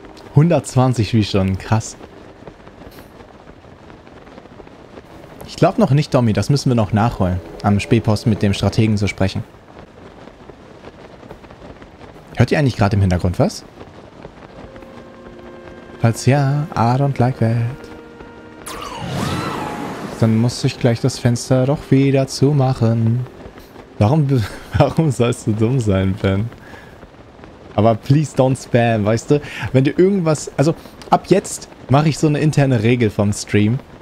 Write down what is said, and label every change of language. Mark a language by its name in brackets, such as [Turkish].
[German] 120 wie schon. Krass. Ich glaube noch nicht, Domi. Das müssen wir noch nachholen. Am Spähposten mit dem Strategen zu sprechen. Hört ihr eigentlich gerade im Hintergrund was? Falls ja, [English] I don't like that. [German] Dann muss ich gleich das Fenster doch wieder zumachen. Warum sollst du dumm sein, Ben? Aber [English] please don't spam, [German] weißt du? Wenn du irgendwas... Also, ab jetzt mache ich so eine interne Regel vom Stream.